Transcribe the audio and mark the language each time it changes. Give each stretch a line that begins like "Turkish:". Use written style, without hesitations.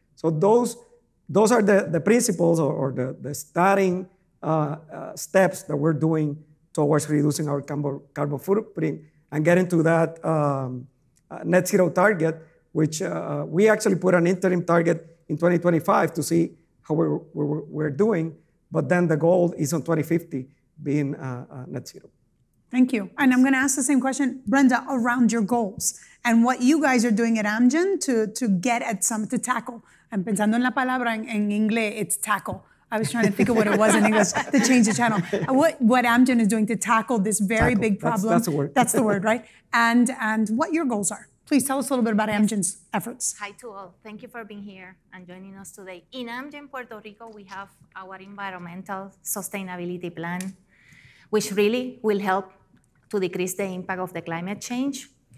English: So those are the principles or the starting steps that we're doing towards reducing our carbon footprint and getting to that net zero target, which we actually put an interim target in 2025 to see how we're doing. But then the goal is on 2050 being net zero. Thank you. And I'm going to ask the same question, Brenda, around your goals and what you guys are doing at Amgen to get at some, to tackle. I'm
Spanish: pensando en la palabra en inglés,
English: it's tackle. I was trying to think of what it was in English to change the channel. What Amgen is doing to tackle this very big problem. That's the word. That's the word, right? And what your goals are. Please tell us a little bit about Amgen's efforts. Hi to all. Thank you for being here and joining us today. In Amgen Puerto Rico, we have our environmental sustainability plan, which really will help to decrease the impact of the climate change.